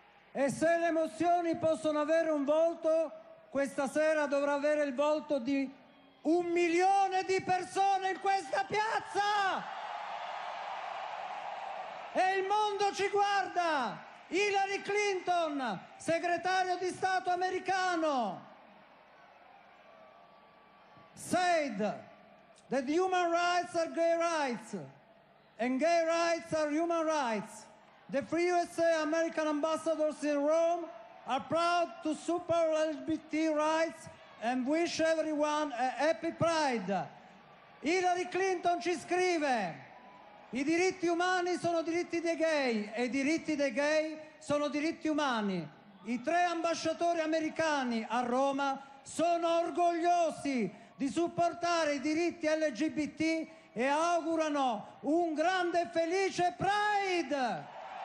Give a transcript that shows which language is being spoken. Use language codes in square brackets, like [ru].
[it] E se le emozioni possono avere un volto, questa sera dovrà avere il volto di 1 milione di persone in questa piazza! E il mondo ci guarda! Hillary Clinton, segretario di Stato americano! [en] Said that human rights are gay rights, and gay rights are human rights. The free USA American ambassadors in Rome are proud to support LGBT rights and wish everyone a happy pride. [it] Hillary Clinton ci scrive: i diritti umani sono diritti dei gay e i diritti dei gay sono diritti umani. I 3 ambasciatori americani a Roma sono orgogliosi di supportare i diritti LGBT e augurano un grande e felice pride.